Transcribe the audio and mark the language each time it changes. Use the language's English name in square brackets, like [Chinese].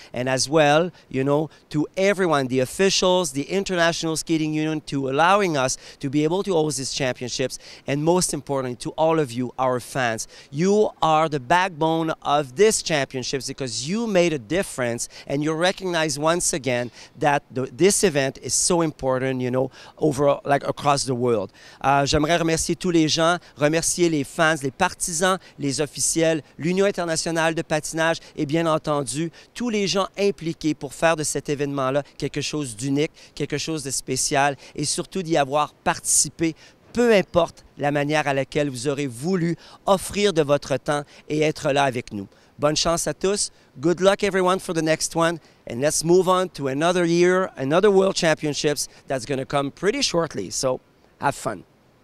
[English] And as well, you know, to everyone, the officials, the International Skating Union, to allowing us to be able to host these championships. And most importantly, to all of you, our fans. You are the backbone of this championships because you made a difference and you recognize once again that this event is so important. Important, you know, over like across the world. [French] J'aimerais remercier tous les gens, remercier les fans, les partisans, les officiels, l'Union internationale de patinage et bien entendu tous les gens impliqués pour faire de cet événement-là quelque chose d'unique, quelque chose de spécial et surtout d'y avoir participé, peu importe la manière à laquelle vous aurez voulu offrir de votre temps et être là avec nous. Bonne chance à tous. [English] Good luck everyone for the next one. And let's move on to another year, another World Championships that's going to come pretty shortly. So have fun.